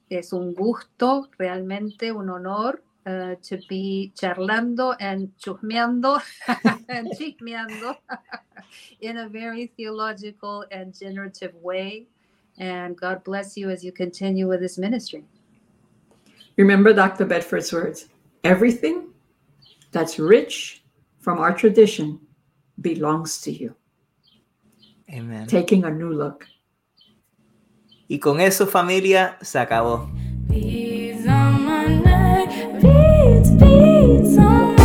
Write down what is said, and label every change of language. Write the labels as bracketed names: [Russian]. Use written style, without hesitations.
[Spanish] Es un gusto, realmente un honor, [English] to be charlando and chusmeando and chismeando in a very theological and generative way. And God bless you as you continue with this ministry. Remember Dr. Bedford's words, everything that's rich from our tradition belongs to you. Amen. Taking a new look. [Spanish] Y con eso, familia, se acabó. [English] Peace on Monday, peace, peace on